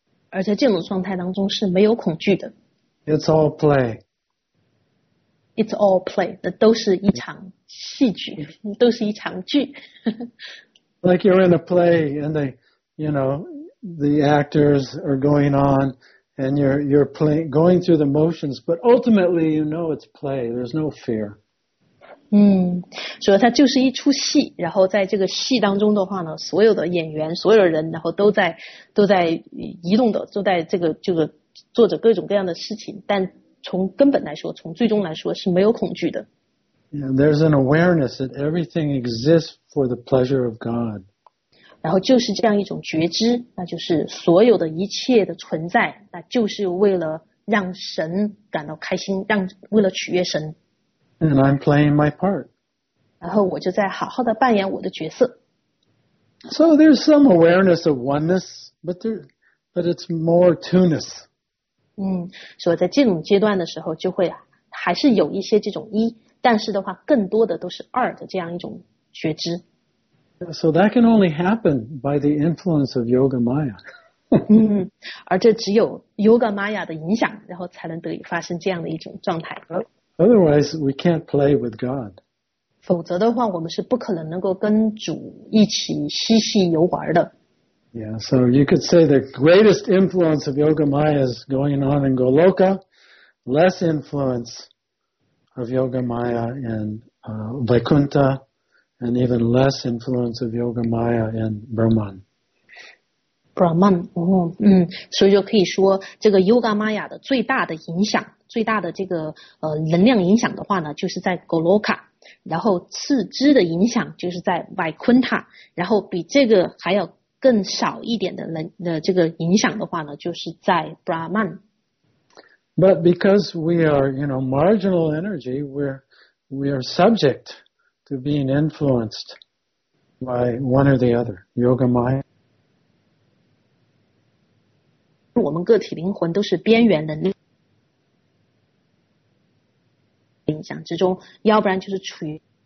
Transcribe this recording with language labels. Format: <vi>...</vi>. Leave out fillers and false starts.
<zh>而在这种状态当中是没有恐惧的。</zh> <en>It's all play. It's all play.</en> <zh>那都是一场戏剧，都是一场剧。</zh> <en>Like you're in a play, and they, you know, the actors are going on, and you're playing, going through the motions, but ultimately you know it's play. There's no fear.</en> <zh>嗯，所以它就是一出戏，然后在这个戏当中的话呢，所有的演员，所有的人，然后都在移动的，都在这个做着各种各样的事情，但从根本来说，从最终来说是没有恐惧的。</zh> <en>Yeah, there's an awareness that everything exists for the pleasure of God.</en> <zh>然后就是这样一种觉知，那就是所有的一切的存在，那就是为了让神感到开心，为了取悦神。</zh> <en>And I'm playing my part.</en> <zh>然后我就在好好的扮演我的角色。</zh> <en>So there's some awareness of oneness, but it's more two-ness.</en> <zh>嗯，所以在这种阶段的时候，就会还是有一些这种一。但是的话更多的都是二的这样一种觉知。</zh> <en>So that can only happen by the influence of Yoga Maya.</en> <zh>嗯，而这只有 Yoga Maya 的影响，然后才能得以发生这样的一种状态。</zh> <en>Otherwise, we can't play with God.</en> <zh>否则的话，我们是不可能能够跟主一起嬉戏游玩的。</zh> <en>Yeah, so you could say the greatest influence of Yoga Maya is going on in Goloka, less influence. Of Yoga Maya in Vaikuntha, and even less influence of Yoga Maya in Brahman.</en> <zh>Brahman, 所以就可以说这个 Yoga Maya 的最大的影响，最大的这个能量影响的话呢，就是在 Goloka， 然后次之的影响就是在 Vaikuntha， 然后比这个还要更少一点的这个影响的话呢，就是在 Brahman。</zh> <en>But because we are, you know, marginal energy, we are subject to being influenced by one or the other, Yoga Maya.</en> <zh>我们个体灵魂都是边缘能力影响之中，要不然就是处于。</zh>